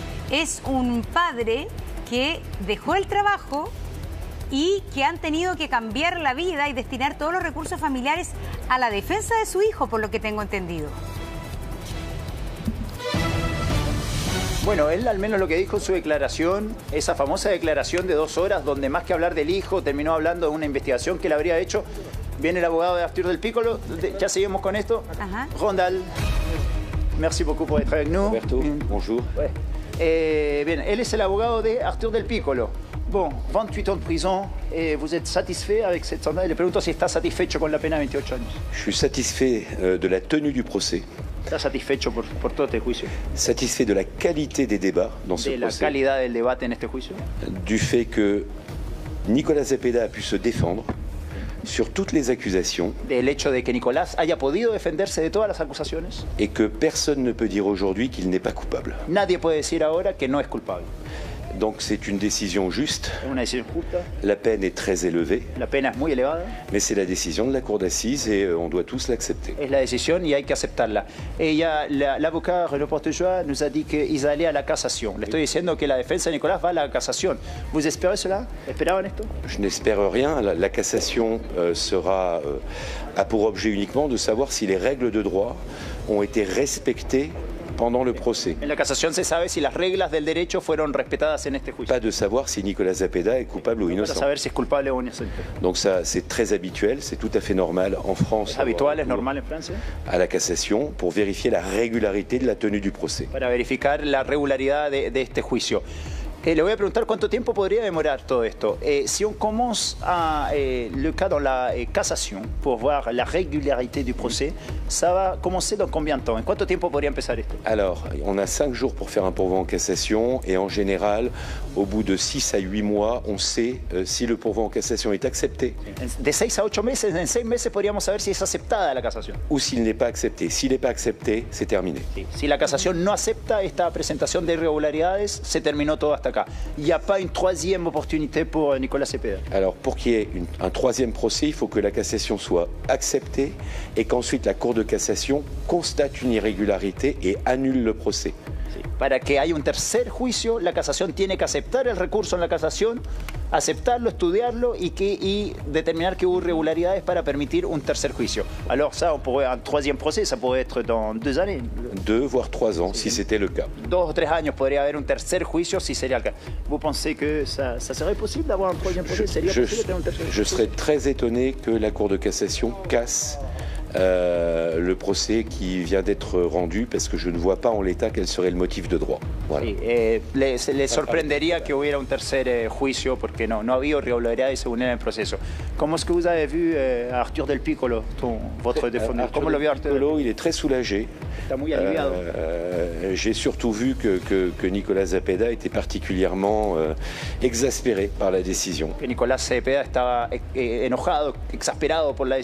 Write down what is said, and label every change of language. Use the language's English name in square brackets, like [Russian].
[Spanish] Es un padre que dejó el trabajo y que han tenido que cambiar la vida y destinar todos los recursos familiares a la defensa de su hijo, por lo que tengo entendido. Bueno, él al menos lo que dijo en su declaración, esa famosa declaración de 2 horas, donde más que hablar del hijo, terminó hablando de una investigación que le habría hecho. Viene el abogado de Arthur del Piccolo, ya seguimos con esto. Ajá. [French] Rondal, merci beaucoup pour être avec nous. Roberto, bonjour. [Spanish] Bien, él es el abogado de Arthur del Piccolo. [French] Bon, 28 ans de prison, vous êtes satisfait avec cette sentence? [Spanish] Le pregunto si está satisfecho con la pena de 28 años. [French] Je suis satisfait de la tenue du procès. [Spanish] ¿Estás satisfecho por todos tus juicios? [French] Satisfait de la qualité des débats dans ce procès. [Spanish] ¿De la calidad del debate en este juicio? [French] Du fait que Nicolas Cepeda a pu se défendre sur toutes les accusations. [Spanish] ¿Del hecho de que Nicolás haya podido defenderse de todas las acusaciones? [French] Et que personne ne peut dire aujourd'hui qu'il n'est pas coupable. [Spanish] Nadie puede decir ahora que no es culpable. [French] Donc c'est une décision juste. [Spanish] Una decisión justa. [French] La peine est très élevée. [Spanish] La pena es muy elevada. [French] Mais c'est la décision de la cour d'assises et on doit tous l'accepter. [Spanish] Es la decisión y hay que aceptarla. [French] Ella, l'avocat René Portejois nous a dit qu'ils allaient à la cassation. [Spanish] Le estoy diciendo que la defensa de Nicolás va a la cassation. ¿Vos esperabas cela? ¿Esperaban esto? [French] Je n'espère rien. La cassation a pour objet uniquement de savoir si les règles de droit ont été respectées. Pendant le procès. [Spanish] En la casación se sabe si las reglas del derecho fueron respetadas en este juicio. [French] Pas de savoir si Nicolas Cepeda est coupable ou innocent. [Spanish] Para saber si es culpable o inocente. [French] Donc ça, c'est très habituel, c'est tout à fait normal en France. [Spanish] Es habitual, es normal en Francia. [French] À la cassation pour vérifier la régularité de la tenue du procès. [Spanish] Para verificar la regularidad de este juicio. Le voy a preguntar cuánto tiempo podría demorar todo esto. [French] Si on commence à le cas dans la cassation pour voir la régularité du procès, ça va commencer dans combien de temps? [Spanish] En cuánto tiempo podría empezar esto? [French] Alors, on a 5 jours pour faire un pourvoi en cassation et en général, au bout de 6 à 8 mois, on sait si le pourvoi en cassation est accepté. [Spanish] De 6 à 8 meses, en 6 meses podríamos saber si es aceptada la cassation. [French] Ou s'il n'est pas accepté. S'il n'est pas accepté, c'est terminé. [Spanish] Si la cassation no acepta esta presentación de irregularidades, se terminó todo. Hasta acá. [French] Il n'y a pas une troisième opportunité pour Nicolas Cepeda. Alors, pour qu'il y ait un troisième procès, il faut que la cassation soit acceptée et qu'ensuite la Cour de cassation constate une irrégularité et annule le procès. [Spanish] Sí. Para que haya un tercer juicio, la cassation tiene que aceptar el recurso en la cassation, aceptarlo, estudiarlo y determinar que hubo irregularidades para permitir un tercer juicio. [French] Alors, ça, on pourrait, un troisième procès, ça pourrait être dans 2 années. 2 voire 3 ans, sí. Si c'était le cas. [Spanish] 2 ou 3 años podría haber un tercer juicio si sería el caso. ¿Vos pensás que [French] ça serait possible d'avoir un troisième procès? [Spanish] ¿Sería [French] possible d'avoir [Spanish] un tercer juicio? [French] Je serais très étonné que la Cour de cassation casse. Le procès qui vient d'être rendu parce que je ne vois pas en l'état quel serait le motif de droit. Voilà. [Spanish] Les sorprendería que hubiera un tercer juicio porque no ha habido irregularidades según el proceso. ¿Cómo es que [French] vous avez vu Arthur del Piccolo, votre défendeur? [Spanish] ¿Cómo lo vio Arthur [French] del Piccolo? Il est très soulagé. [Spanish] Está muy aliviado. [French] J'ai surtout vu que Nicolas Cepeda était particulièrement exaspéré par la décision. [Spanish] Que Nicolas Cepeda estaba enojado, exasperado por la décision.